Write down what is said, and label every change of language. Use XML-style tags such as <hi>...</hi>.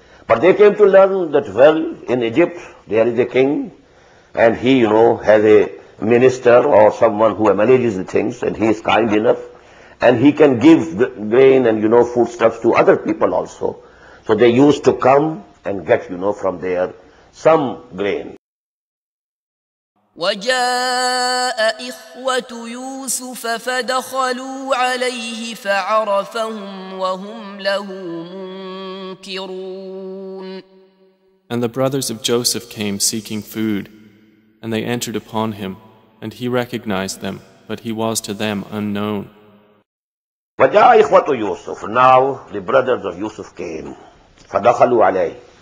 <en>But they came to learn that, well, in Egypt there is a king, and he, has a minister or someone who manages the things, and he is kind enough, and he can give grain and foodstuffs to other people also. So they used to come and get from there some grain.</en> <ar>وجاء إخوة يوسف فدخلوا عليه فعرفهم وهم له منكرون.</ar> <en>And the brothers of Joseph came seeking food, and they entered upon him, and he recognized them, but he was to them unknown.</en> <ar>وجاء إخوة يوسف.</ar> <en>Now the brothers of Yusuf came.</en> <ar>فدخلوا عليه.</ar>